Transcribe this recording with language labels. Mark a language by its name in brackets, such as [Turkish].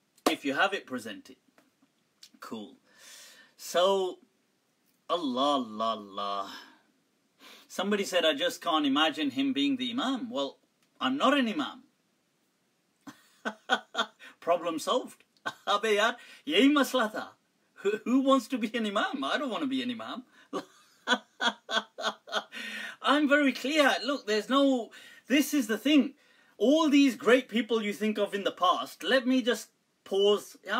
[English] If you have it, present it. Cool. So, Allah, Allah, Allah. Somebody said, I just can't imagine him being the imam. Well, I'm not an imam. Problem solved. [Hindi] अबे यार, यही मसला था. [English] Who wants to be an imam? I don't want to be an imam. I'm very clear. Look, there's no... This is the thing. All these great people you think of in the past, let me just pause.